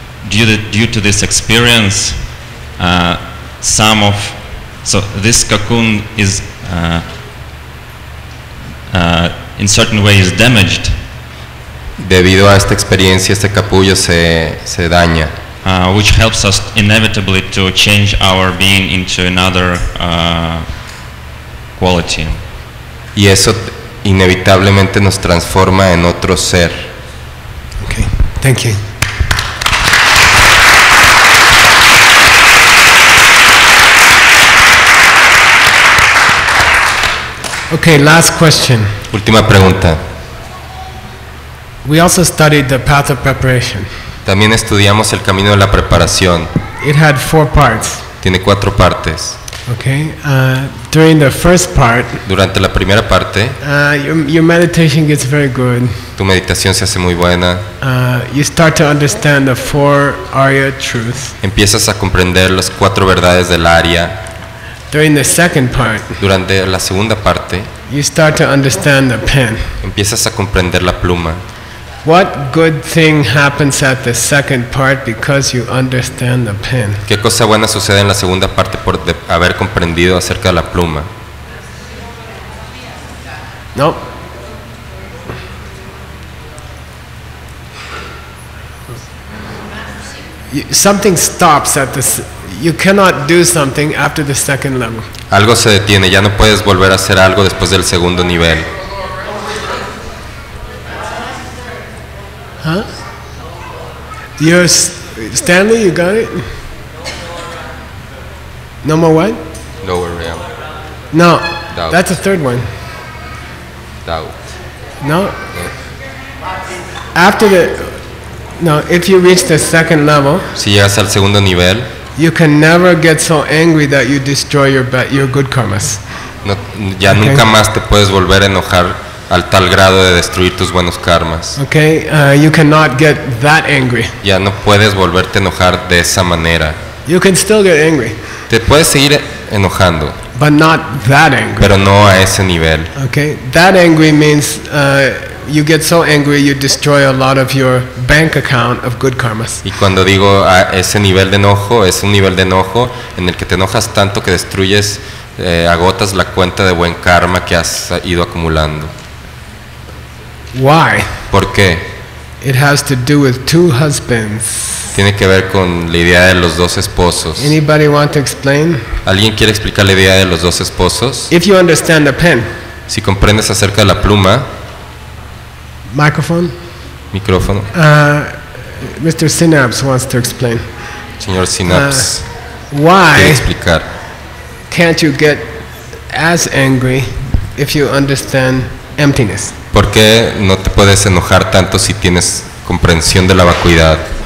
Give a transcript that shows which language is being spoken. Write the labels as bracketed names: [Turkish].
[English] Due to this experience, some of so this cocoon is in certain ways damaged. [Spanish] Debido a esta experiencia, este capullo se daña. [English] Which helps us inevitably to change our being into another quality. [Spanish] Y eso inevitablemente nos transforma en otro ser. [English] Okay, thank you. Okay, last question. [Spanish] Última pregunta. [English] We also studied the path of preparation. [Spanish] También estudiamos el camino de la preparación. [English] It had four parts. [Spanish] Tiene cuatro partes. [English] Okay. During the first part. [Spanish] Durante la primera parte. [English] Your meditation gets very good. [Spanish] Tu meditación se hace muy buena. [English] You start to understand the four Arya truths. [Spanish] Empiezas a comprender las cuatro verdades del Arya. [English] During the second part. [Spanish] Durante la segunda parte. [English] You start to understand the pen. [Spanish] Empiezas a comprender la pluma. [English] What good thing happens at the second part because you understand the pen? [Spanish] ¿Qué cosa buena sucede en la segunda parte por haber comprendido acerca de la pluma? [English] No. Something stops at this. You cannot do something after the second level. [Spanish] Algo se detiene, ya no puedes volver a hacer algo después del segundo nivel. [English] Huh? You're Stanley, you got it? No more what? Lower realm. No. Doubt. That's the third one. Doubt. No? After the... No, if you reach the second level... [Spanish] Si llegas al segundo nivel... [English] You can never get so angry that you destroy your good karmas. [Spanish] No, ya okay. Nunca más te puedes volver a enojar... al tal grado de destruir tus buenos karmas. [English] Okay, you cannot get that angry. [Spanish] Ya no puedes volverte a enojar de esa manera. [English] You can still get angry. [Spanish] Te puedes seguir enojando. [English] But not that angry. [Spanish] Pero no a ese nivel. [English] Okay, that angry means you get so angry you destroy a lot of your bank account of good karmas. [Spanish] Y cuando digo a ese nivel de enojo, es un nivel de enojo en el que te enojas tanto que destruyes agotas la cuenta de buen karma que has ido acumulando. [English] Why? [Spanish] ¿Por qué? [English] It has to do with two husbands. [Spanish] Tiene que ver con la idea de los dos esposos. [English] Anybody want to explain? [Spanish] ¿Alguien quiere explicar la idea de los dos esposos? [English] If you understand the pen. [Spanish] Si comprendes acerca de la pluma. [English] Microphone. [Spanish] Micrófono. [English] Mr. Synapse wants to explain. [Spanish] Señor Synapse. [English] Why? [Spanish] ¿Quiere explicar? [English] Can't you get as angry if you understand emptiness? [Spanish] ¿Por qué no te puedes enojar tanto si tienes comprensión de la vacuidad?